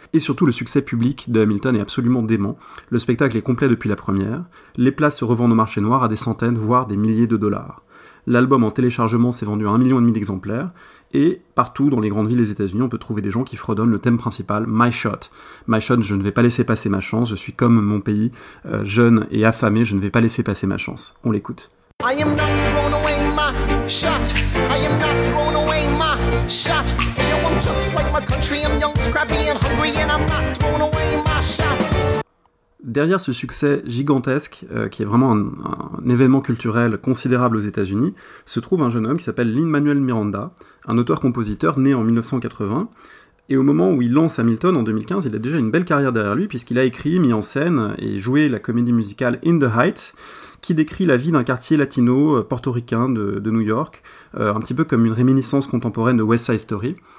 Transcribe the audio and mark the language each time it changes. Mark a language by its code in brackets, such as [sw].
[fr] Et surtout, le succès public de Hamilton est absolument dément. Le spectacle est complet depuis la première, les places se revendent au marché noir à des centaines, voire des milliers de dollars. L'album en téléchargement s'est vendu à 1,5 million d'exemplaires, et partout dans les grandes villes des États-Unis, on peut trouver des gens qui fredonnent le thème principal, My Shot. My Shot, je ne vais pas laisser passer ma chance, je suis comme mon pays, jeune et affamé, je ne vais pas laisser passer ma chance. On l'écoute. [en] I am not throwing away my shot, I am not throwing away my shot. You know, I'm just like my country, I'm young, scrappy and hungry, and I'm not throwing away my shot. [fr] Derrière ce succès gigantesque, qui est vraiment un événement culturel considérable aux États-Unis, se trouve un jeune homme qui s'appelle Lin-Manuel Miranda, un auteur-compositeur né en 1980. Et au moment où il lance Hamilton en 2015, il a déjà une belle carrière derrière lui, puisqu'il a écrit, mis en scène et joué la comédie musicale In the Heights, qui décrit la vie d'un quartier latino portoricain de New York, un petit peu comme une réminiscence contemporaine de West Side Story.